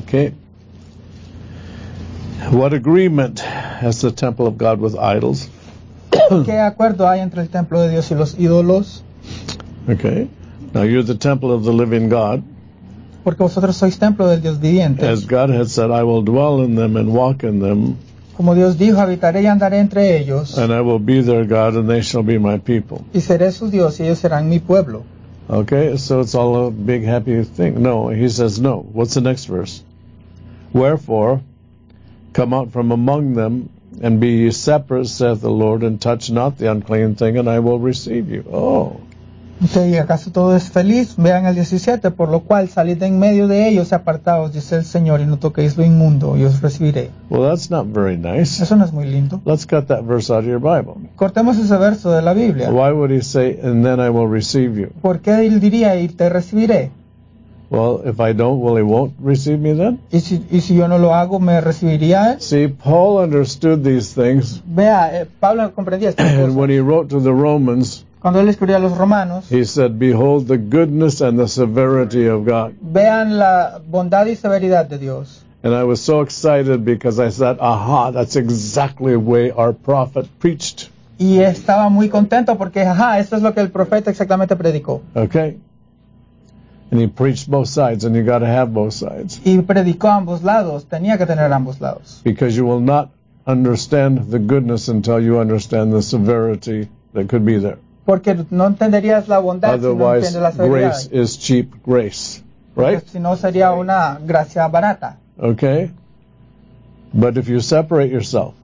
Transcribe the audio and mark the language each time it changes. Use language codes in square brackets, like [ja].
[en] Okay. What agreement has the temple of God with idols? [es] ¿Qué acuerdo hay entre el templo de Dios y los ídolos? [en] Okay. Now you're the temple of the living God. [es] Porque vosotros sois templo del Dios viviente. [en] As God has said, I will dwell in them and walk in them. [es] Como Dios dijo, habitaré y andaré entre ellos. [en] And I will be their God and they shall be my people. [es] Y seré su Dios y ellos serán mi pueblo. [en] Okay, so it's all a big happy thing. No, he says no. What's the next verse? Wherefore, come out from among them and be ye separate, saith the Lord, and touch not the unclean thing, and I will receive you. Oh. [es] Okay, ¿acaso todo es feliz? Vean el 17, por lo cual salid en medio de ellos y apartaos, dice el Señor, y no toquéis lo inmundo, y os recibiré. [en] Well, that's not very nice. [es] Eso no es muy lindo. [en] Let's cut that verse out of your Bible. [es] Cortemos ese verso de la Biblia. [en] Why would he say, and then I will receive you? [es] ¿Por qué él diría, y te recibiré? [en] Well, if I don't, will he won't receive me then? [es] ¿Y si yo no lo hago, me recibiría él? [en] See, Paul understood these things. [es] Vea, Pablo comprendía estas cosas. [en] And when he wrote to the Romans, [es] cuando él escribió a los romanos, [en] he said, behold the goodness and the severity of God. [es] Vean la bondad y severidad de Dios. [en] And I was so excited because I said, aha, that's exactly the way our prophet preached. [es] Y estaba muy contento porque, aha, esto es lo que el profeta exactamente predicó. [en] Okay. And he preached both sides, and you got to have both sides. [es] Y predicó ambos lados, tenía que tener ambos lados. [en] Because you will not understand the goodness until you understand the severity that could be there. [es] Porque no entenderías la bondad. [en] Otherwise, [es] si no entiendes la [en] severidad. Grace is cheap grace, right? [es] Porque si no sería una gracia barata. [en] Okay. But if you separate yourself,